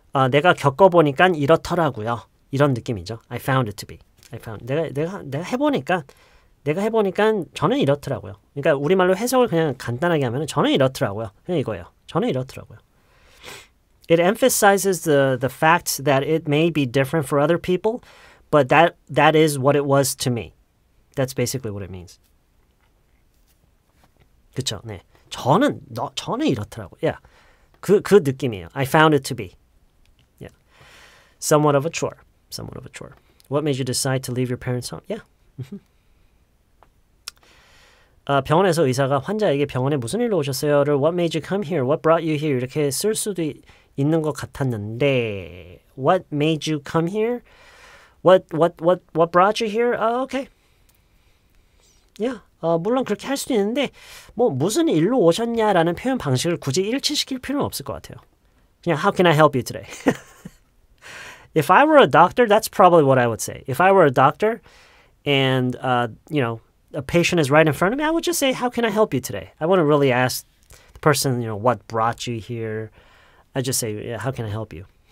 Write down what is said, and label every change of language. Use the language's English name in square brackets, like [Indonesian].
[Korean] 내가 겪어보니까 이렇더라고요. 이런 느낌이죠. [English] I found it to be. I found. [Korean] 내가 해보니까. 내가 해보니까 저는 이렇더라고요. 그러니까 우리말로 해석을 그냥 간단하게 하면 저는 이렇더라고요. 그냥 이거예요. 저는 이렇더라고요. [English] It emphasizes the fact that it may be different for other people, but that is what it was to me. That's basically what it means. [Korean] 그렇죠? 네. 저는 이렇더라고요. [English] Yeah. [Korean] 그 느낌이에요. [English] I found it to be. Yeah. Somewhat of a chore. Somewhat of a chore. What made you decide to leave your parents home? Yeah. Mm-hmm. [Korean] 병원에서 의사가 환자에게 병원에 무슨 일로 오셨어요를 [English] What made you come here? What brought you here? [Korean] 이렇게 쓸 수도 있는 것 같았는데 [English] What made you come here? What brought you here? Okay. Yeah. [Korean] 물론 그렇게 할 수도 있는데 뭐 무슨 일로 오셨냐라는 표현 방식을 굳이 일치시킬 필요는 없을 것 같아요. [English] 그냥 How can I help you today? If I were a doctor, that's probably what I would say. If I were a doctor and, you know, a patient is right in front of me, I would just say, how can I help you today? I wouldn't really ask the person, you know, what brought you here. I just say, yeah, how can I help you?